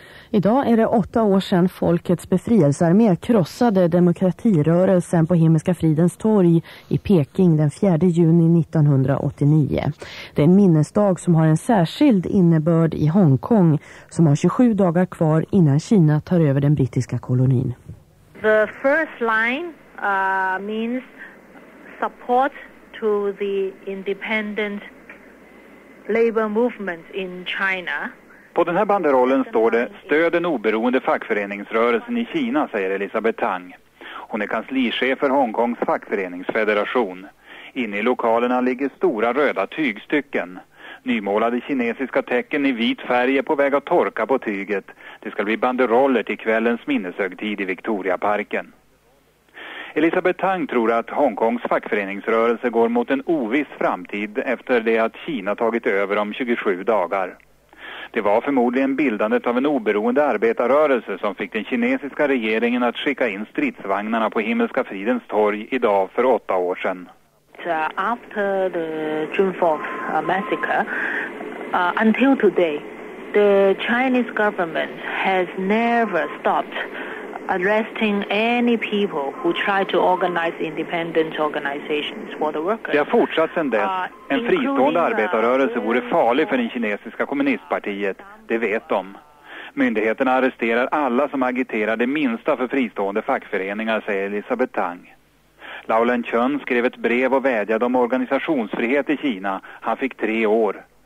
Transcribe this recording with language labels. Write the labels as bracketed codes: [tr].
[sv] Idag är det 8 år sedan Folkets befrielsearmé krossade demokratirörelsen på Himmelska fridens torg i Peking den 4 juni 1989. Det är en minnesdag som har en särskild innebörd i Hongkong som har 27 dagar kvar innan Kina tar över den brittiska kolonin. [en] The first line means support to the independent labor movement in China. [sv] På den här banderollen står det stöd den oberoende fackföreningsrörelsen i Kina, säger Elisabeth Tang. Hon är kanslichef för Hongkongs fackföreningsfederation. Inne i lokalerna ligger stora röda tygstycken. Nymålade kinesiska tecken i vit färg är på väg att torka på tyget. Det ska bli banderoller till kvällens minneshögtid i Victoriaparken. Elisabeth Tang tror att Hongkongs fackföreningsrörelse går mot en oviss framtid efter det att Kina tagit över om 27 dagar. Det var förmodligen bildandet av en oberoende arbetarrörelse som fick den kinesiska regeringen att skicka in stridsvagnarna på Himmelska fridens torg idag för 8 år sedan. [en] After the June 4th massacre, until today, the Chinese government has never stopped arresting any people who try to organize independent organizations for the workers. [sv] Det har fortsatt sedan dess. En fristående arbetarrörelse vore farlig för den kinesiska kommunistpartiet, det vet de. Myndigheterna arresterar alla som agiterar det minsta för fristående fackföreningar, säger Elisabeth Tang. Lao Lanchun skrev ett brev och vädjade om organisationsfrihet i Kina. Han fick 3 år.